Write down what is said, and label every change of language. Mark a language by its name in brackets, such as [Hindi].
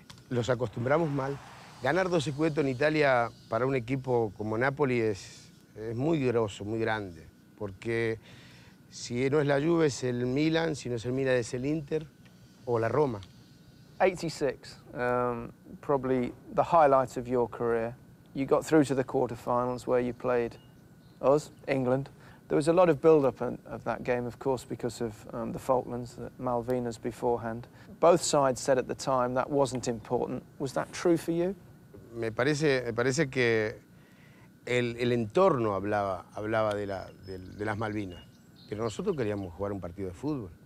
[Spanish] Los acostumbramos mal. Ganar 12 Scudetto en Italia para un equipo como Napoli es muy groso, muy grande, porque si no es la Juve es el Milan, si no es el Milan es el Inter o la Roma. [English] 86, probably the highlight of your career. You got through to the quarterfinals where you played us, England. There was a lot of build-up of that game, of course, because of the Falklands, the Malvinas beforehand. Both sides said at the time that wasn't important. Was that true for you? [Spanish] Me parece que el entorno hablaba de las Malvinas. Pero nosotros queríamos jugar un partido de fútbol.